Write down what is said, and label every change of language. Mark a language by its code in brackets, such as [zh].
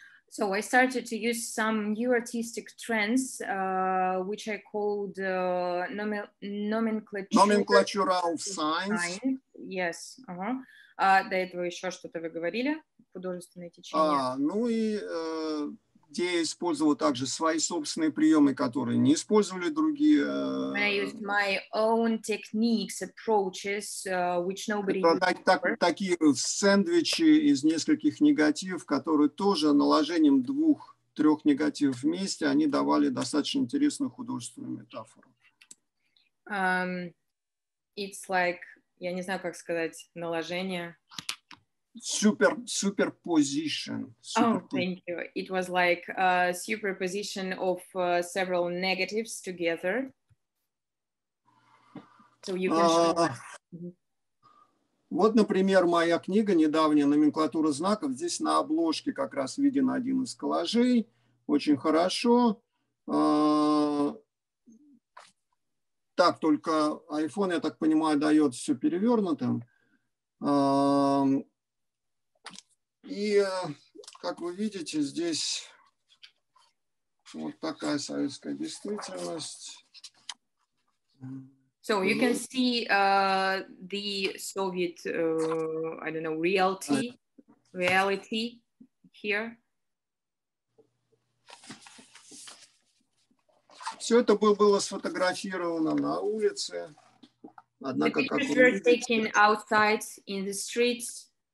[en] So I started to use some new artistic trends, which I called nomenclature of signs. Yes. [ru] До этого еще что-то вы говорили, художественные течения. Где я использовал также свои собственные приемы, которые не использовали другие. [en] When I used my own techniques, approaches, which nobody used. [ru] Такие сэндвичи из нескольких негативов, которые тоже наложением двух-трех негативов вместе, они давали достаточно интересную художественную метафору. [en] It's like, [ru] я не знаю, как сказать, наложение. [en] Superposition. Thank you. It was like a superposition of several negatives together. So you can show [ru] Вот, например, моя книга недавняя «Номенклатура знаков». Здесь на обложке как раз виден один из коллажей. Очень хорошо. Так, только iPhone, я так понимаю, дает все перевернутым. И, как вы видите, здесь вот такая советская действительность. [en] So you can see the Soviet, I don't know, reality here. [ru] Все это было сфотографировано на улице. Однако, [en] the pictures were taken outside in the streets.